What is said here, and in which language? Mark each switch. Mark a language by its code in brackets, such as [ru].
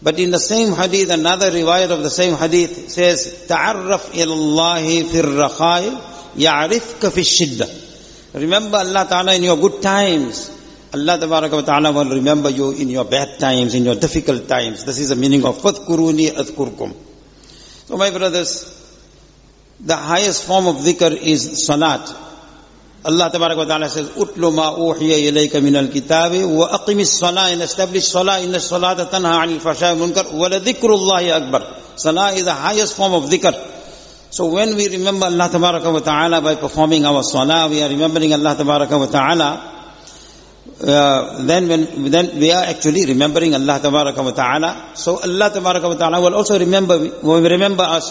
[en] But in the same hadith, another riwayat of the same hadith says, [ar] تَعَرَّفْ إِلَى اللَّهِ فِي الرَّخَاءِ يَعْرِفْكَ فِي الشِّدَّةِ. [en] Remember Allah Ta'ala in your good times. Allah Tabaraka wa Ta'ala will remember you in your bad times, in your difficult times. This is the meaning of [ar] فَذْكُرُونِي أَذْكُرْكُمْ. [en] So my brothers, the highest form of dhikr is salat. Allah Tabaraka wa Ta'ala says, [ar] اُتْلُ مَا أُوحِيَ إِلَيْكَ مِنَ الْكِتَابِ وَأَقِمِ الصَّلَاةِ [en] and establish salah, [ar] إِنَّ الصَّلَاةَ تَنْهَى عَنِ الْفَحْشَاءِ وَالْمُنكَرِ وَلَذِكْرُ اللَّهِ أَكْبَرُ. [en] Salah is the highest form of dhikr. So when we remember Allah Tabaraka wa Ta'ala by performing our salah, we are remembering Allah Tabaraka wa Ta'ala, then we are actually remembering Allah Tabaraka wa Ta'ala. So Allah Tabaraka wa Ta'ala will also remember us.